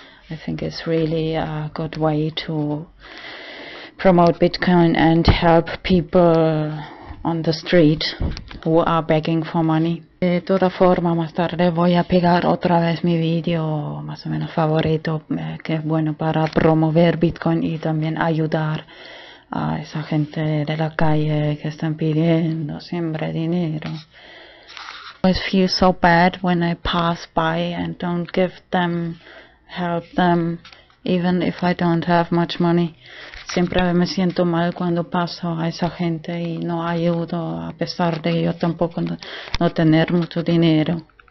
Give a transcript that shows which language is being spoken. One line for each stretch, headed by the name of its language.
English: I think it's really a good way to promote Bitcoin and help people on the street who are begging for money.
Spanish: De toda forma, más tarde voy a pegar otra vez mi video más o menos favorito, que es bueno para promover Bitcoin y también ayudar a esa gente de la calle que están pidiendo siempre dinero.
English: I always feel so bad when I pass by and don't give them, help them, even if I don't have much money.
Spanish: Siempre me siento mal cuando paso a esa gente y no ayudo, a pesar de yo tampoco no tener mucho dinero.